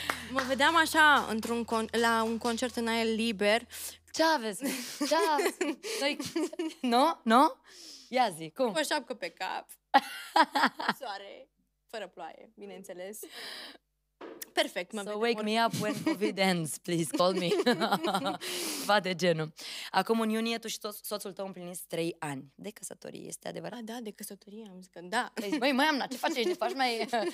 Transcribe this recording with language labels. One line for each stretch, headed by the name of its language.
Romanian: Mă vedeam așa într-un la un concert în aer liber. Ce aveți? Ce aveți? No? No? Ia zi, cum? Cu o șapcă pe cap. Soare, fără ploaie, bineînțeles. Perfect, mă vedem.
English: So wake me up when COVID ends, please call me.
Romanian: Va de genul. Acum în iunie tu și soțul tău împliniți 3 ani de căsătorie, este adevărat? A, da, de căsătorie, am zis că da. Măi, mai am na, ce faci? Ești, faci mai...